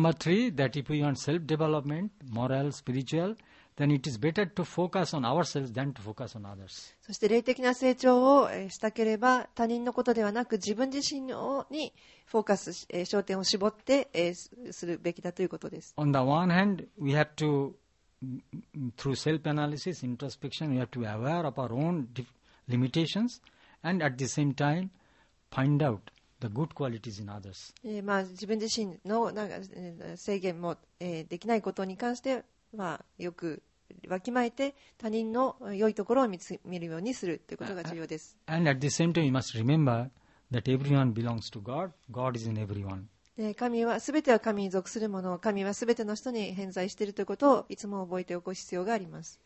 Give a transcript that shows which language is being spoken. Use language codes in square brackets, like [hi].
[en] Number three, that if we want self-development, moral, spiritualThen it is better to focus on ourselves than to focus on others. [ja] そして霊的な成長をしたければ、他人のことではなく自分自身にフォーカス、焦点を絞ってするべきだということです。 [en] On the one hand, we have to, through self-analysis, introspection, we have to be aware of our own limitations and at the same time find out. The good qualities in others. [ja] まあ、自分自身のなんか制限も、できないことに関して、まあ、よくわきまえて他人の良いところを 見るようにするということが重要です。 [en] And at the same time, you must remember that everyone belongs to God. God is in everyone. [ja] 神は全ては神に属するもの、神は全ての人に偏在しているということをいつも覚えておく必要があります。